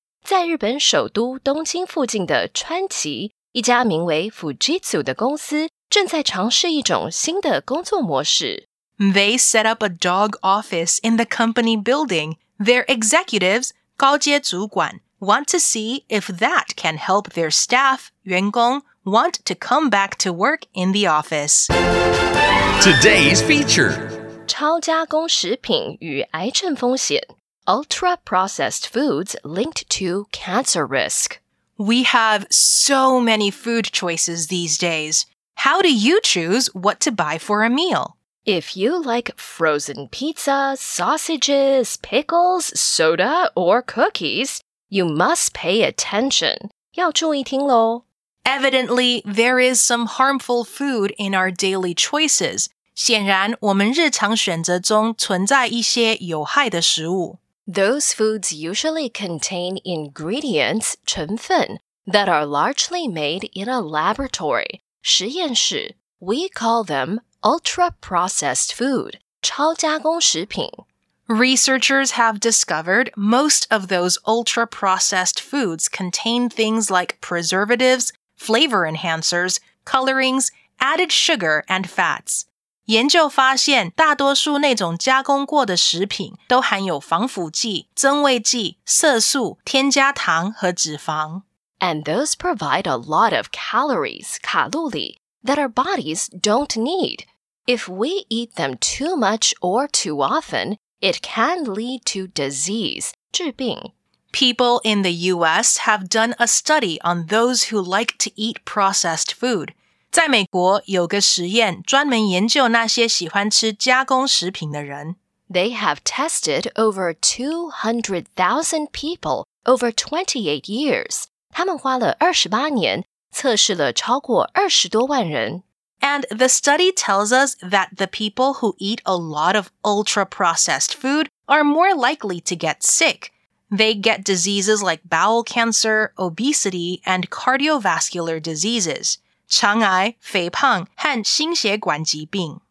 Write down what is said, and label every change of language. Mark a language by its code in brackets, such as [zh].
[zh] 在日本首都东京附近的川崎,一家名为 Fujitsu 的公司正在尝试一种新的工作模式。 [en] They set up a dog office in the company building. Their executives, 高阶主管, want to see if that can help their staff, 员工, want to come back to work in the office. Today's feature. [zh] 超加工食品与癌症风险 [en] Ultra-processed foods linked to cancer risk. We have so many food choices these days. How do you choose what to buy for a meal? If you like frozen pizza, sausages, pickles, soda, or cookies, you must pay attention. [zh] 要注意听咯。 [en] Evidently, there is some harmful food in our daily choices. [zh] 显然我们日常选择中存在一些有害的食物。 [en] Those foods usually contain ingredients, 成分, that are largely made in a laboratory, 实验室, We call them ultra-processed food, 超加工食品. Researchers have discovered most of those ultra-processed foods contain things like preservatives, flavor enhancers, colorings, added sugar, and fats. [zh] 研究发现大多数那种加工过的食品都含有防腐剂、增味剂、色素、添加糖和脂肪。 [en] And those provide a lot of calories, 卡路里, that our bodies don't need. If we eat them too much or too often, it can lead to disease, 致病。 People in the U.S. have done a study on those who like to eat processed food. [zh] 在美国有个实验专门研究那些喜欢吃加工食品的人。 [en] They have tested over 200,000 people over 28 years. [zh] 他们花了二十八年测试了超过二十多万人。 [en] And the study tells us that the people who eat a lot of ultra-processed food are more likely to get sick. They get diseases like bowel cancer, obesity, and cardiovascular diseases, [zh] 肠癌、肥胖和心血管疾病。